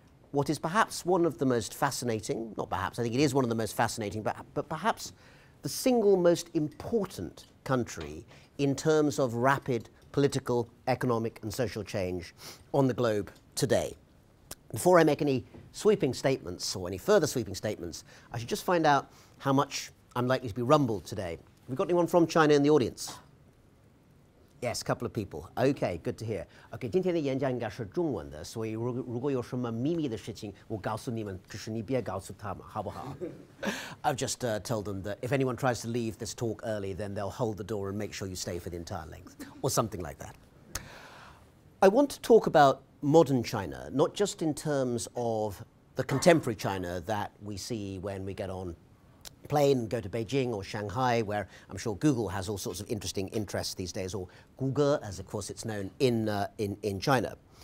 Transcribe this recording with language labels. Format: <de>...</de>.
<en>what is perhaps one of the most fascinating, not perhaps, I think it is one of the most fascinating, but perhaps the single most important country in terms of rapid political, economic, and social change on the globe today. Before I make any sweeping statements or any further sweeping statements, I should just find out how much I'm likely to be rumbled today. Have we got anyone from China in the audience? Yes, a couple of people. Okay, good to hear.</en> <zh>Okay, 今天的演讲应该是中文的，所以如果有什么秘密的事情，我告诉你们，就是你别告诉他们，好不好？</zh> <en>I've just told them that if anyone tries to leave this talk early, then they'll hold the door and make sure you stay for the entire length, or something like that. I want to talk about modern China, not just in terms of the contemporary China that we see when we get on plane, go to Beijing or Shanghai, where I'm sure Google has all sorts of interesting interests these days, or Google, as of course it's known in China.</en>